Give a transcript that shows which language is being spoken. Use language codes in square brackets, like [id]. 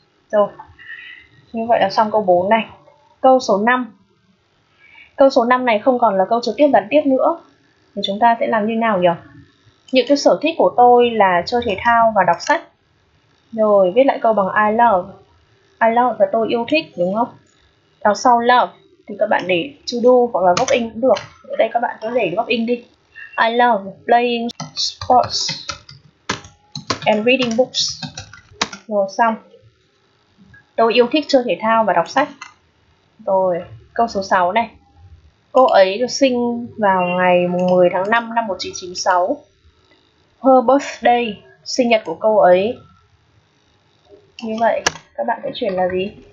[vi] Rồi, như vậy là xong câu 4 này. Câu số 5, câu số 5 này không còn là câu trực tiếp gián tiếp nữa, thì chúng ta sẽ làm như nào nhỉ. Những cái sở thích của tôi là chơi thể thao và đọc sách. Rồi viết lại câu bằng I love và tôi yêu thích, đúng không. Đằng sau love thì các bạn để [en] to do [vi] hoặc là góp in cũng được. Ở đây các bạn cứ để góp in đi. [en] I love playing sports and reading books. [vi] Rồi xong, tôi yêu thích chơi thể thao và đọc sách. Rồi câu số 6 này, cô ấy được sinh vào ngày 10 tháng 5 năm 1996. [en] Her birthday, [vi] sinh nhật của cô ấy. Như vậy các bạn sẽ chuyển là gì?